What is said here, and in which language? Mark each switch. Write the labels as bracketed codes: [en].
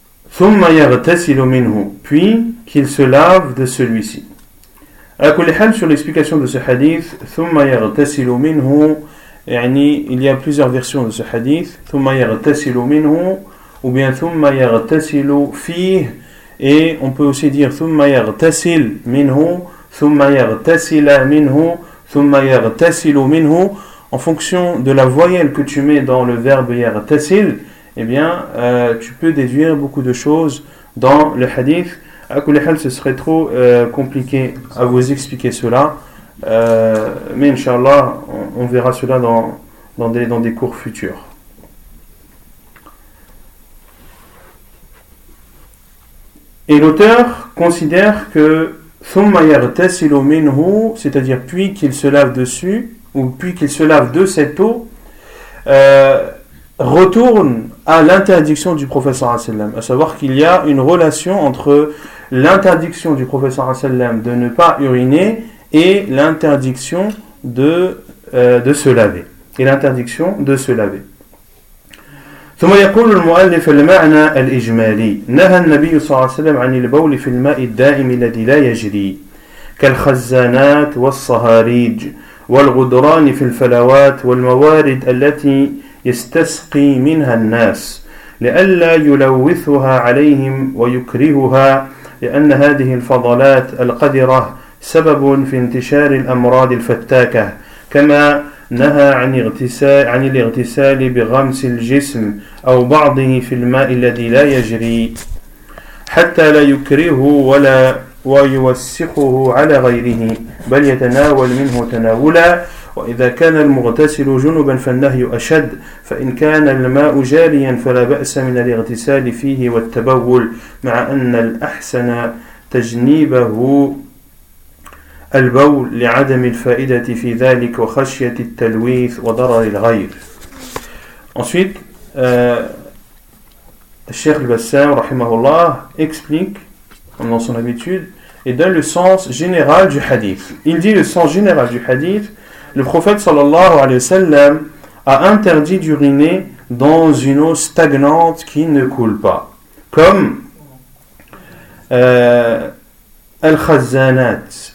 [ar] ثم يغتسل منه, [fr] puis qu'il se lave de celui-ci. À quoi les sur l'explication de ce hadith, [ar] ثم يغتسل منه, [fr] يعني il y a plusieurs versions de ce hadith, [ar] ثم يغتسل منه, [fr] ou bien [ar] ثم يغتسل فيه. [fr] Et on peut aussi dire [ar] ثم يغتسل منه, ثم يغتسل منه, ثم يغتسل منه. [fr] En fonction de la voyelle que tu mets dans le verbe يغتسل, eh bien, tu peux déduire beaucoup de choses dans le hadith. À [ar] كل حال, [fr] ce serait trop compliqué à vous expliquer cela. Mais inshallah, on verra cela dans des cours futurs. Et l'auteur considère que [ar] ثُمَّ يَغْتَسِلُ مِنْهُ, [fr] c'est-à-dire puis qu'il se lave dessus, ou puis qu'il se lave de cette eau, retourne à l'interdiction du prophète sallallahu alayhi wa sallam. À savoir qu'il y a une relation entre l'interdiction du prophète sallallahu alayhi wa sallam de ne pas uriner et l'interdiction de se laver. Et l'interdiction de se laver. [ar] ثم يقول المؤلف المعنى الإجمالي نهى النبي صلى الله عليه وسلم عن البول في الماء الدائم الذي لا يجري كالخزانات والصهاريج والغدران في الفلوات والموارد التي يستسقي منها الناس لئلا يلوثها عليهم ويكرهها لأن هذه الفضلات القذرة سبب في انتشار الأمراض الفتاكة كما نهى عن الاغتسال بغمس الجسم أو بعضه في الماء الذي لا يجري حتى لا يكره ولا ويوسخه على غيره بل يتناول منه تناولا وإذا كان المغتسل جنبا فالنهي أشد فإن كان الماء جاريا فلا بأس من الاغتسال فيه والتبول مع أن الأحسن تجنيبه البول لعدم الفائدة في ذلك وخشية التلويث وضرر الغير. [fr] Ensuite, Cheikh Al-Bassam, rahimahullah, explique, comme dans son habitude, et donne le sens général du hadith. Il dit le sens général du hadith, Le prophète sallallahu alayhi wa sallam a interdit d'uriner dans une eau stagnante qui ne coule pas, comme Al-Khazanat.